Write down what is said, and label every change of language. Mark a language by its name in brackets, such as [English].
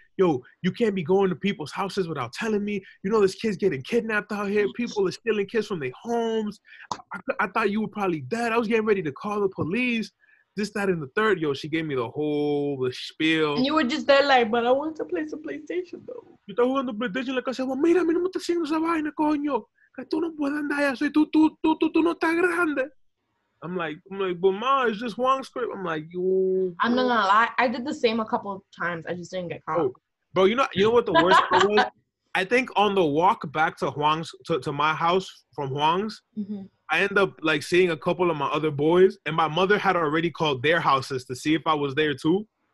[English] Yo, you can't be going to people's houses without telling me. You know, this kid's getting kidnapped out here. People are stealing kids from their homes. I thought you were probably dead. I was getting ready to call the police. This, that, and the third. Yo, she gave me the spiel. And you were just there like, but I want to play some PlayStation, though. You thought we were on the PlayStation? Like, I said, well, [Spanish] mira, a mí no me está haciendo esa vaina, coño. Que tú no puedes andar así. Tú no estás grande. [English] I'm like, but ma, it's just Huang's crib. I'm like, yo. I'm not gonna lie. I did the same a couple of times. I just didn't get caught. Bro, you know what the worst part was? I think on the walk back to Huang's, to my house from Huang's, I end up like seeing a couple of my other boys, and my mother had already called their houses to see if I was there too.